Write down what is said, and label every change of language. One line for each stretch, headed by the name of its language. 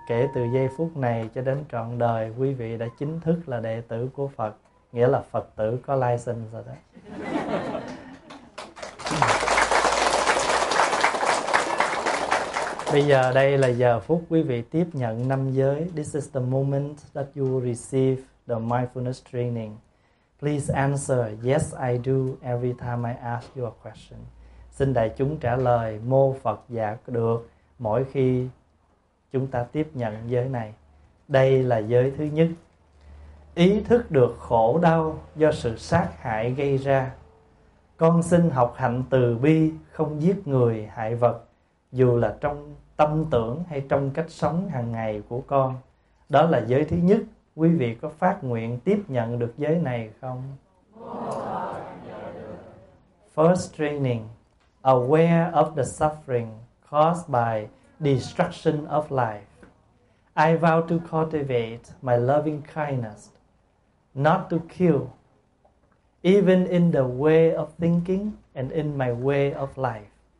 Vietnamese: Kể từ giây phút này cho đến trọn đời, quý vị đã chính thức là đệ tử của Phật, nghĩa là Phật tử có license rồi đó. Bây giờ đây là giờ phút quý vị tiếp nhận năm giới.
English: This is the moment that you will receive the mindfulness training. Please answer yes I do every time I ask you a question.
Vietnamese: Xin đại chúng trả lời mô Phật dạ được mỗi khi chúng ta tiếp nhận giới này. Đây là giới thứ nhất. Ý thức được khổ đau do sự sát hại gây ra. Con xin học hạnh từ bi, không giết người hại vật, dù là trong tâm tưởng hay trong cách sống hàng ngày của con. Đó là giới thứ nhất. Quý vị có phát nguyện tiếp nhận được giới này không?
English: First training. Aware of the suffering caused by destruction of life. I vow to cultivate my loving kindness, not to kill, even in the way of thinking and in my way of life.